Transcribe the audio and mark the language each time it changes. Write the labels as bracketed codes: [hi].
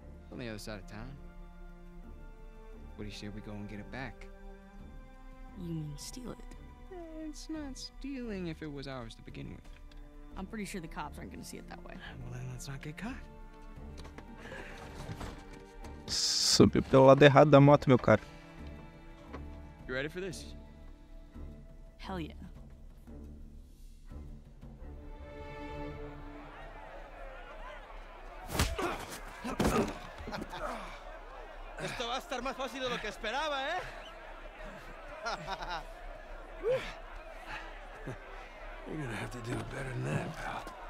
[en] On the other side of town. What do you say we go and get it back? You mean steal it? It's not stealing if it was ours to begin with. I'm pretty sure the cops aren't gonna see it that way. Well, then let's not get caught. [pt] Subiu pelo lado errado da moto, meu cara. [en] You ready for this? Hell yeah. [es] Esto va a estar más fácil de lo que esperaba, ¿eh? [en] You're gonna have to do better than that, pal.